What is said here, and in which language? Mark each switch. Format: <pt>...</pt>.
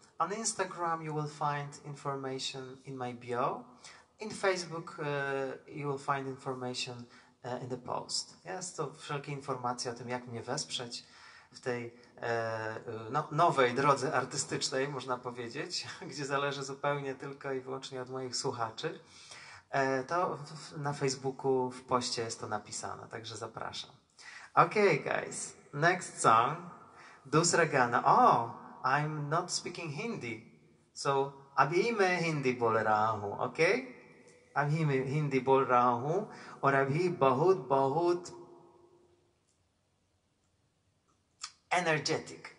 <en>On Instagram you will find information in my bio, in Facebook you will find information in the post.</en> <pl>Jest to wszelkie informacje o tym, jak mnie wesprzeć w tej nowej drodze artystycznej, można powiedzieć, gdzie zależy zupełnie tylko i wyłącznie od moich słuchaczy. To na Facebooku w poście jest to napisane, także zapraszam.</pl> <en>Okay guys, next song, Dusregana. Oh! I'm not speaking Hindi, so</en> <hi>abhime Hindi bol raha hu,</hi> <en>okay?</en> <hi>Abhime Hindi bol raha hu, aur abhi bahut bahut energetic.</hi>